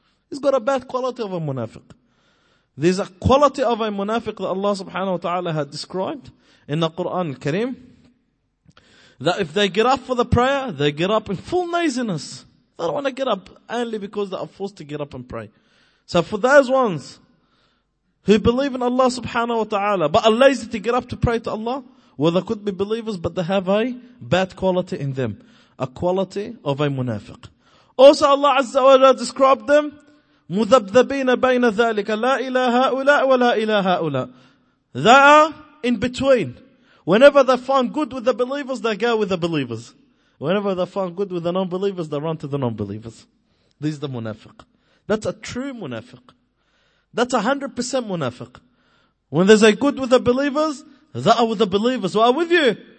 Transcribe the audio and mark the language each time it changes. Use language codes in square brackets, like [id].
[en] He's got a bad quality of a munafiq. There's a quality of a munafiq that Allah subhanahu wa ta'ala had described in the Quran al-Kareem, that if they get up for the prayer, they get up in full laziness. They don't want to get up only because they are forced to get up and pray. So for those ones who believe in Allah subhanahu wa ta'ala, but are lazy to get up to pray to Allah, well, they could be believers, but they have a bad quality in them. A quality of a munafiq. Also Allah Azza wa Jalla described them, [ar] مُذَبْذَبِينَ بَيْنَ ذَلِكَ لَا إِلَى هَؤُلَاءَ وَلَا إِلَى هَؤُلَاءَ. [en] They are in between. Whenever they find good with the believers, they go with the believers. Whenever they find good with the non-believers, they run to the non-believers. This is the munafiq. That's a true munafiq. That's 100% munafiq. When there's a good with the believers, they are with the believers. We are with you.